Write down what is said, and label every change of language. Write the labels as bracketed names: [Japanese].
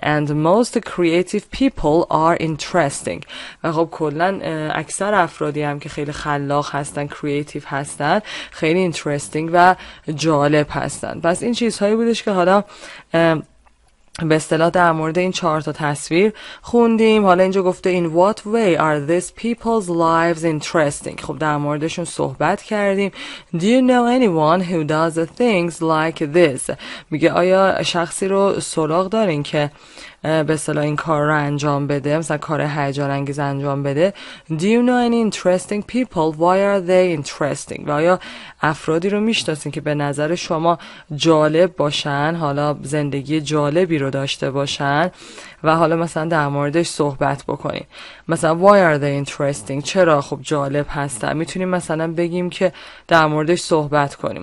[English] and most creative people are interesting، [Persian] و خب کلن اکثر افرادی هم که خیلی خلاق هستن، creative هستن، خیلی interesting و جالب هستن. پس این چیزهایی بودش که حالا به اصطلاح در مورد این چهار تا تصویر خوندیم. حالا اینجا گفته [English] in what way are these people's lives interesting. [Persian] خب در موردشون صحبت کردیم. [English] Do you know anyone who does things like this. [Persian] میگه آیا شخصی رو سراغ دارین که به اصطلاح این کار رو انجام بده، مثلا کار هیجان انگیز انجام بده. [English] Do you know any interesting people, why are they interesting. [Persian] و آیا افرادی رو میشناسین که به نظر شما جالب باشن، حالا زندگی جالبی رو داشته باشن و حالا مثلا در موردش صحبت بکنیم. مثلا [English] why are they interesting، [Persian] چرا خب جالب هستن. میتونیم مثلا بگیم که در موردش صحبت کنیم.